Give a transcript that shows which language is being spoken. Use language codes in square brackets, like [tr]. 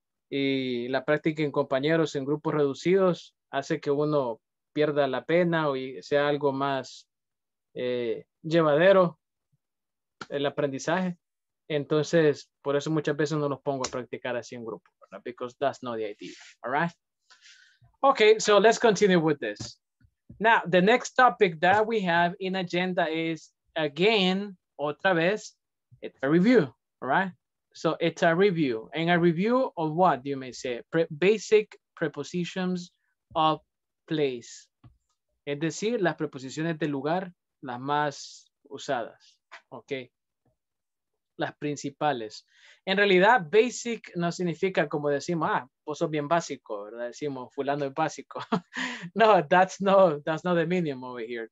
[es] Y la práctica en compañeros, en grupos reducidos, hace que uno pierda la pena o sea algo más llevadero el aprendizaje. Entonces, por eso muchas veces no los pongo a practicar así en grupo, ¿verdad? [en] Because that's not the idea, all right? Okay, so let's continue with this. Now, the next topic that we have in agenda is, again, [es] otra vez, [en] it's a review, all right? So it's a review, and a review of what, you may say, basic prepositions of place. [es] Es decir, las preposiciones de lugar, las más usadas, okay? Las principales. En realidad, basic no significa como decimos, ah, vos sos bien básico, ¿verdad? Decimos, fulano es básico. [en] No, that's not the meaning over here.